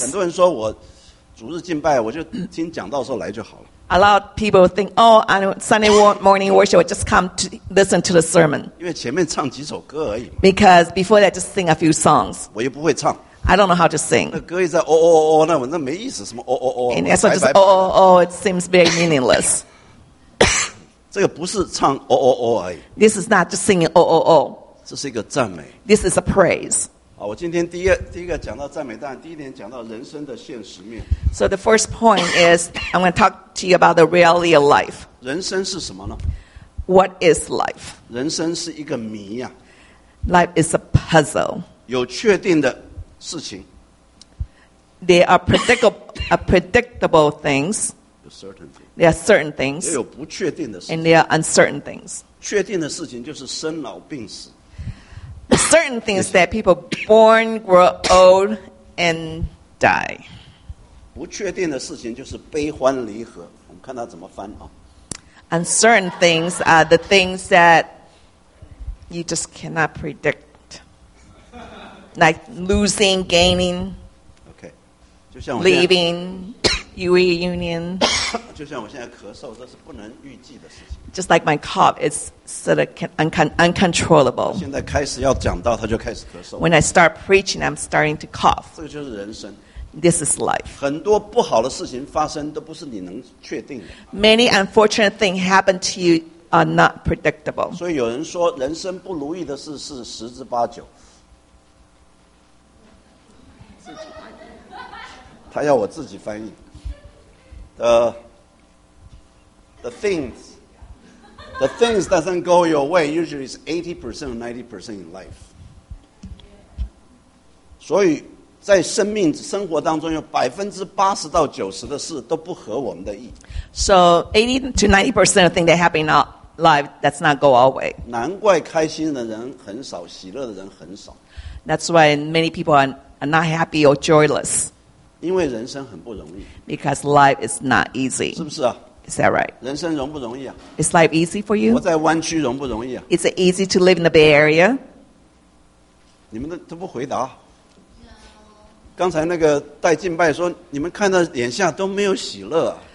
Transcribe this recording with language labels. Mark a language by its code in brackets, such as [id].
[zh] 很多人说我主日敬拜，我就听讲道的时候来就好了 [en] A lot of people think, on Sunday morning worship, I just come to listen to the sermon. [zh] 因为前面唱几首歌而已 [en] Because before that, just sing a few songs. [zh] 我又不会唱。 [en] I don't know how to sing. [zh] 那歌一直在哦哦哦，那我那没意思，什么哦哦哦。 [en] And that's just oh oh oh. It seems very meaningless. [zh] 这个不是唱哦哦哦而已。 [en] This is not just singing oh oh oh. [zh] 这是一个赞美。 [en] This is a praise. [zh] 好，我今天第一个讲到赞美，当然第一点讲到人生的现实面。 [en] So the first point is I'm going to talk to you about the reality of life. [zh] 人生是什么呢 [en] ？What is life? [zh] 人生是一个谜呀。 [en] Life is a puzzle. [zh] 有确定的。事情 [en] There are predictable things. There are certain things. [zh] 也有不确定的事情 [en] And there are uncertain things. [zh] 确定的事情就是生老病死 [en] Certain things that people born, grow old, and die. [zh] 不确定的事情就是悲欢离合我们看他怎么翻啊 [en] Uncertain things are the things that you just cannot predict. Like losing, gaining, okay. [zh] 就像我 [en] leaving, reunion. [zh] 就像我现在咳嗽，这是不能预计的事情。 [en] Just like my cough, it's sort of uncontrollable. [zh] 现在开始要讲到，他就开始咳嗽。 [en] When I start preaching, I'm starting to cough. [zh] 这个就是人生。 [en] This is life. [zh] 很多不好的事情发生都不是你能确定的。 [en] Many unfortunate things happen to you are not predictable. [zh] 所以有人说，人生不如意的事是十之八九。他要我自己翻译。 [en] The things doesn't go your way usually is 80% or 90% in life. [zh] 所以在生活当中有80%到90%的事都不合我们的意。 [en] So 80 to 90% of things that happen in our life that's not go our way. [zh] 难怪开心的人很少，喜乐的人很少。 [en] That's why many people are not happy or joyless. [zh] 因为人生很不容易。 [en] Because life is not easy. [zh] 是不是啊 [en] Is that right? [zh] 人生容不容易啊 [en] Is life easy for you? [zh] 活在湾区容不容易啊 [en] Is it easy to live in the Bay Area? [zh] 你们都不回答。刚才那个带敬拜说，你们看到眼下都没有喜乐啊。